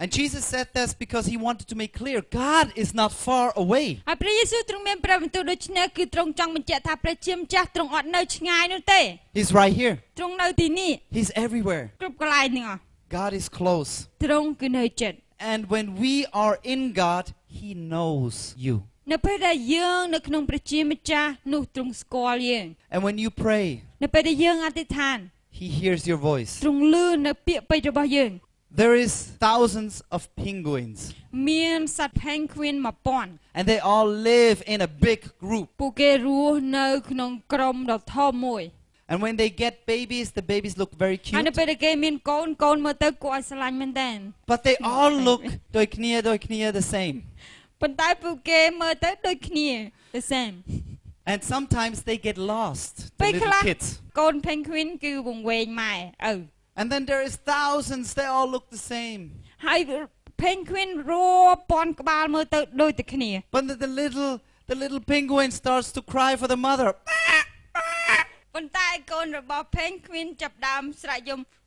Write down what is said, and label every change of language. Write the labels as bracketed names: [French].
[English] And Jesus said this because he wanted to make clear God is not far away. [Khmer] ហើយព្រះយេស៊ូវទ្រង់មានប្រាប់បន្ទូលដូច្នេះគឺទ្រង់ចង់បញ្ជាក់ថាព្រះជាម្ចាស់ទ្រង់អត់នៅឆ្ងាយនោះទេ. [English] He's right here. [Khmer] ទ្រង់នៅទីនេះ. [English] He's everywhere. [Khmer] គ្រប់កន្លែងទាំងអស់. [English] God is close. [Khmer] ទ្រង់គឺនៅជិត. [English] And when we are in God, he knows you. [Khmer] នៅពេលដែលយើងនៅក្នុងព្រះជាម្ចាស់នោះទ្រង់ស្គាល់យើង [English] And when you pray [Khmer] នៅពេលដែលយើងអធិដ្ឋាន [English] He hears your voice [Khmer] ទ្រង់ឮនៅពាក្យពេចន៍របស់យើង [English] There is thousands of penguins [Khmer] មានសត្វ penguin 1000 [English] And they all live in a big group [Khmer] ពួកគេរស់នៅក្នុងក្រុមដ៏ធំមួយ [English] And when they get babies the babies look very cute [Khmer] ហើយនៅពេលដែលគេមានកូនកូនមកទៅគួរឲ្យស្រឡាញ់មែនទែន [English] But they all look [Khmer] ដូចគ្នា [English] the same [Khmer] ប៉ុន្តែពួកគេមើលទៅដូចគ្នា [English] The same And sometimes they get lost [Khmer] ពេលខ្លះកូន penguin គឺវង្វេងម៉ែឪ [English] And then there is thousands they all look the same [Khmer] ហើយ penguin រាប់ពាន់ក្បាលមើលទៅដូចតែគ្នា [English] But the little penguin starts to cry for the mother [Khmer] ប៉ុន្តែកូនរបស់ penguin ចាប់ដើមស្រែកយំ